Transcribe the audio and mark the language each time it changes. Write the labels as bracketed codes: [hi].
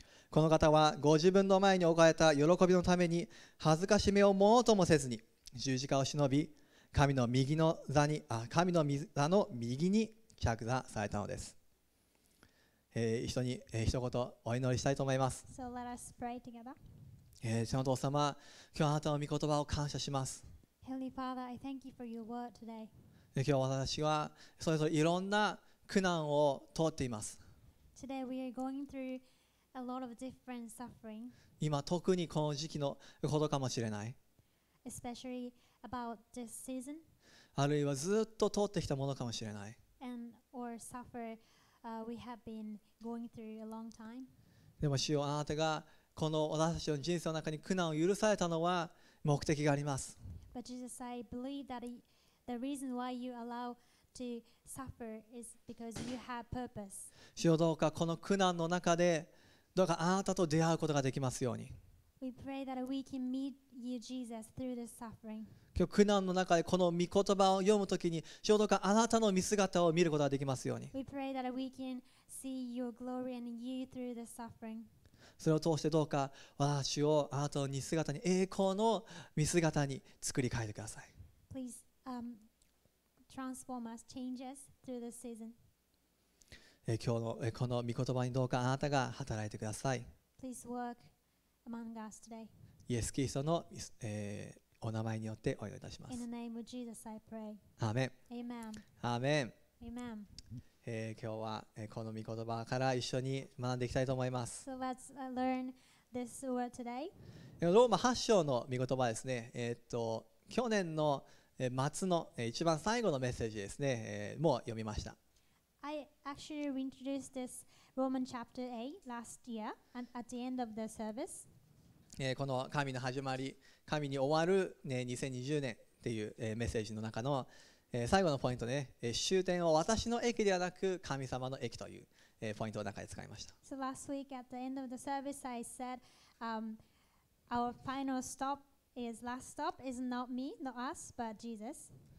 [ja] この方はご自分の前に置かれた喜びのために恥ずかしめをものともせずに十字架を忍び神の座の右に着座されたのです。人に一言お祈りしたいと思います。 [en] So let us pray together. [ja] 天のお父様、今日あなたの御言葉を感謝します。 [en] Heavenly Father, I thank you for your word today. [ja] 今日私はそれぞれいろんな苦難を通っています。 [en] Today we are going through a lot of different suffering. [ja] 今特にこの時期のことかもしれない。 [en] Especially about this season. [ja] あるいはずっと通ってきたものかもしれない。 [en] And or sufferWe have been going through a long time. [ja] でも主よ、あなたがこの私たちの人生の中に苦難を許されたのは目的があります。 [en] But Jesus, I believe that the reason why you allow to suffer is because you have purpose. [ja] 主よ、どうかこの苦難の中でどうかあなたと出会うことができますように。 [en] We pray that we can meet you, Jesus, through this suffering. [ja] 今日苦難の中でこの御言葉を読むときに、主よ、どうかあなたの見姿を見ることができますように。 [en] We pray that we can see your glory and you through this suffering. [ja] それを通してどうか私をあなたの見姿に、栄光の見姿に作り変えてください。 [en] Please, transform us, change us through this season. [ja] 今日のこの御言葉にどうかあなたが働いてください。 [en] Please work among us today. [ja] イエス・キリストの、お名前によってお祈りいたします。 [en] In the name of Jesus, I pray. [ja] アーメン。 [en] Amen. Amen. Amen. [ja] 今日はこの御言葉から一緒に学んでいきたいと思います。 [en] So let's learn this word today. [ja] ローマ8章の御言葉ですね。去年の末の一番最後のメッセージですね。もう読みました。 [en] I actually reintroduced this Roman chapter 8 last year and at the end of the service. [ja] この神の始まり、神に終わる、ね、2020年っていう、メッセージの中の、最後のポイントね、終点を私の駅ではなく神様の駅という、ポイントの中で使いました。 [en] So last week at the end of the service I said, our final stop is last stop is not me, not us, but Jesus.